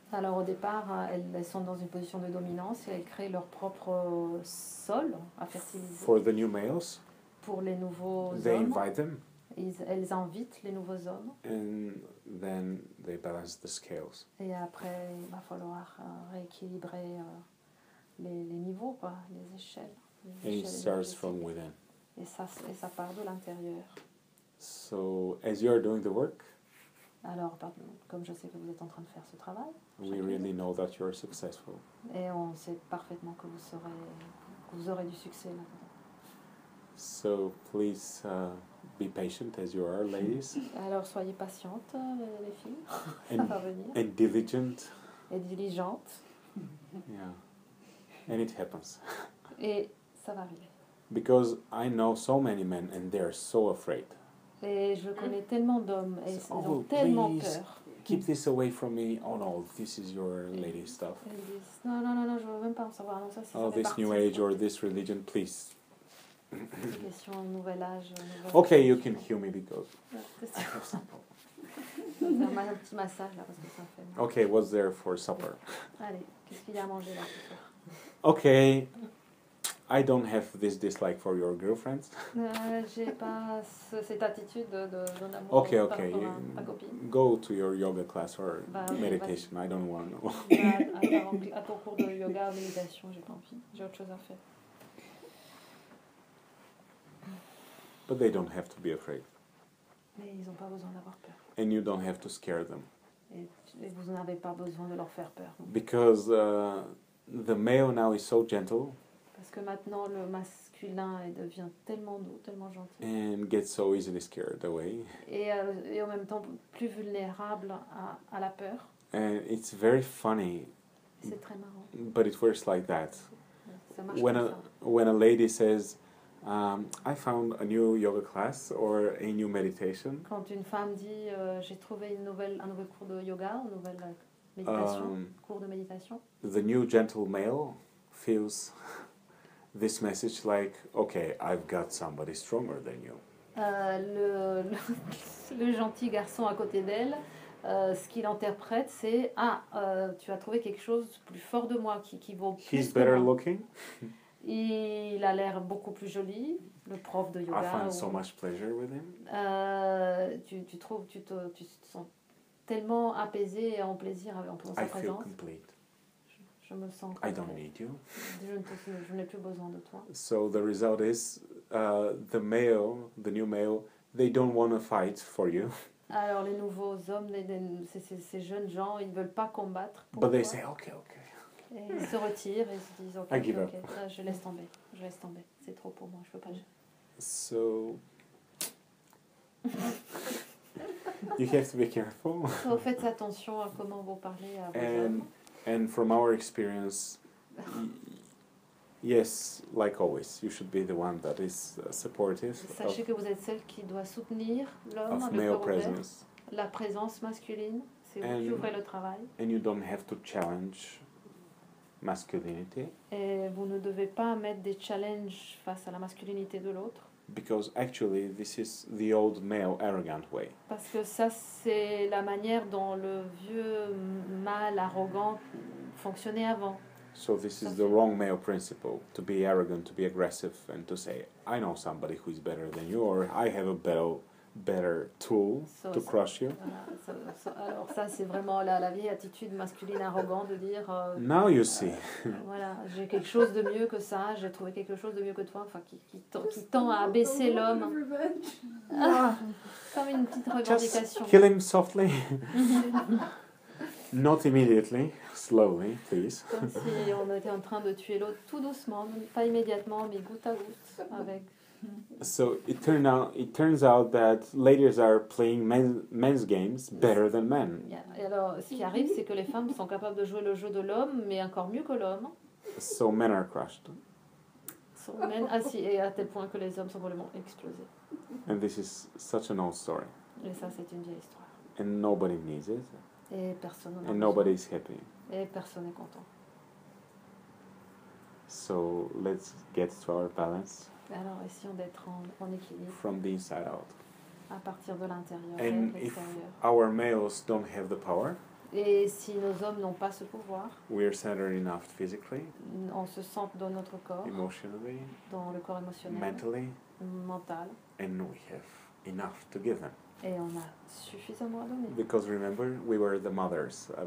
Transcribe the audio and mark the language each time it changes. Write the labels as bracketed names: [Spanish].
[French] Alors au départ, elles sont dans une position de dominance et elles créent leur propre sol à fertiliser. [English] For the new males. [French] Pour les nouveaux [English] they [French] hommes. [English] They invite them. [French] Elles invitent les nouveaux hommes. [English] And then they balance the scales. [French] Et après, il va falloir rééquilibrer les niveaux, quoi, les échelles. [English] And it starts from within. [French] Et ça part de l'intérieur. [English] So as you are doing the work. [French] Alors, comme je sais que vous êtes en train de faire ce travail, [English] we really know that you are successful. [French] Et on sait parfaitement que vous serez, que vous aurez du succès maintenant. [English] So please be patient as you are, ladies. [French] Alors soyez patientes, les filles. Ça va venir. [English] And diligent. [French] Et diligente. [English] Yeah, and it happens. [French] Et ça va arriver. [English] Because I know so many men, and they are so afraid. [French] Et je connais tellement d'hommes et ils ont tellement [English] please [French] peur. [English] Keep this away from me. Oh no, this is your lady stuff. [French] Ils disent non, je veux même pas en savoir. Non, ça, oh, ça [English] this new age or this religion, please. [French] Question nouvel âge. [English] Okay, you can heal me because. [French] Un petit massage là parce que ça fait mal. [English] Okay, what's there for supper? [French] Allez, qu'est-ce qu'il y a à manger là? [English] Okay. I don't have this dislike for your girlfriends. [French] J'ai pas cette attitude d'un amour. [English] Okay, okay. [French] Pour ma copine. [English] Go to your yoga class or meditation. I don't want to know. [French] À ton cours de yoga ou méditation, j'ai pas envie. J'ai autre chose à faire. [English] But they don't have to be afraid. [French] Mais ils ont pas besoin d'avoir peur. [English] And you don't have to scare them. [French] Et vous n'avez pas besoin de leur faire peur. [English] Because the male now is so gentle. [French] Parce que maintenant le masculin devient tellement doux, tellement gentil. [English] And gets so easily scared away. [French] Et en même temps plus vulnérable à la peur. [English] And it's very funny. [French] C'est très marrant. [English] But it works like that. [French] Ça marche comme ça. [English] When a lady says, I found a new yoga class or a new meditation. [French] Quand une femme dit, j'ai trouvé un nouvel cours de yoga, une nouvelle méditation, cours de méditation. [English] The new gentle male feels this message like, okay, I've got somebody stronger than you. [French] Le gentil garçon à côté d'elle, ce qu'il interprète, c'est, tu as trouvé quelque chose de plus fort de moi, qui vaut plus. [English] He's better looking. [French] Il a l'air beaucoup plus joli, le prof de yoga. [English] I find so much pleasure with him. [French] Tu te sens tellement apaisé et en plaisir en sa présence. [English] I feel complete. [French] Je me sens [English] I don't need you. [French] Je n'ai plus besoin de toi. [English] So the result is, the male, the new male, they don't want to fight for you. [French] Alors les nouveaux hommes, ces jeunes gens, ils ne veulent pas combattre pour [English] but But they say, okay. [French] Et ils se retirent et se disent, okay. Je laisse tomber. C'est trop pour moi, je ne veux pas. [English] So, you have to be careful. So [French] faites attention à comment vous parlez à vos hommes. [English] And from our experience, Yes, like always, you should be the one that is supportive. [French] Sachez que vous êtes celle qui doit soutenir l'homme avec [English] male presence. [French] La présence masculine, c'est vous qui ouvrez le travail. [English] And you don't have to challenge masculinity. [French] Et vous ne devez pas mettre des challenges face à la masculinité de l'autre. [English] Because actually, this is the old male arrogant way. [French] Parce que ça, c'est la manière dont le vieux mâle arrogant fonctionnait avant. [English] So this is the wrong male principle, to be arrogant, to be aggressive, and to say, I know somebody who is better than you, or I have a better tool to crush you. [French] Alors ça, c'est vraiment la vieille attitude masculine arrogante de dire... [English] Now you see. [French] Voilà, j'ai quelque chose de mieux que ça, j'ai trouvé quelque chose de mieux que toi, enfin, qui tend à abaisser l'homme. Comme une petite revendication. [English] Just kill him softly. Not immediately, slowly, please. [French] Comme si on était en train de tuer l'autre tout doucement, pas immédiatement, mais goutte à goutte, avec... [English] So it turns out that ladies are playing men's games better than men. Yeah. [French] Et alors, ce qui arrive, c'est que les femmes sont capables de jouer le jeu de l'homme, mais encore mieux que l'homme. [English] So men are crushed. So men, [French] ah si, et à tel point que les hommes sont vraiment explosés. [English] And this is such an old story. [French] Et ça, c'est une vieille histoire. [English] And nobody needs it. [French] Et personne n'en a. [English] And nobody is happy. [French] Et personne n'est content. [English] So let's get to our balance. [French] Alors, essayons d'être en équilibre. [English] From the inside out. [French] À partir de l'intérieur. [English] And if our males don't have the power. [French] Et si nos hommes n'ont pas ce pouvoir. [English] We are centered enough physically. [French] On se sent dans notre corps. [English] Emotionally. [French] Dans le corps émotionnel. [English] Mentally. [French] Mental. [English] And we have enough to give them. [French] Et on a suffisamment à donner. [English] Because remember, we were the mothers of